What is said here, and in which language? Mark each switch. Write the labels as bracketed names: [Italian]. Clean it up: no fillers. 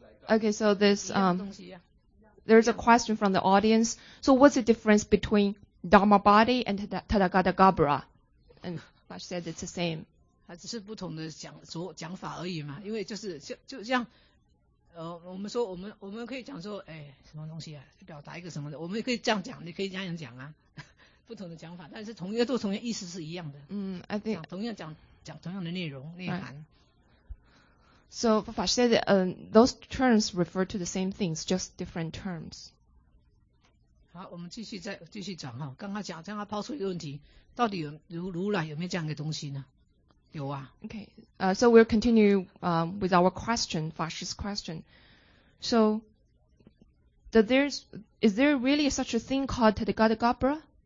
[English] Okay, so this there's a question from the audience. So what's the difference between Dharma body and Tathagata Gabbara? And Vash said it's the same. [Chinese] 它只是不同的讲法而已嘛 因为就是像 我们可以讲说 什么东西啊 表达一个什么的 我们可以这样讲 你可以这样讲啊 不同的讲法 但是同样意思是一样的 同样讲同样的内容 内涵 [English] So Fafa said that, those terms refer to the same things, just different terms. [Chinese] 好,我们继续讲哈 刚刚抛出一个问题 到底如来有没有这样的东西呢 [English] Okay, so we'll continue with our question, Fash's question. So, is there really such a thing called Tathagata Gabbara?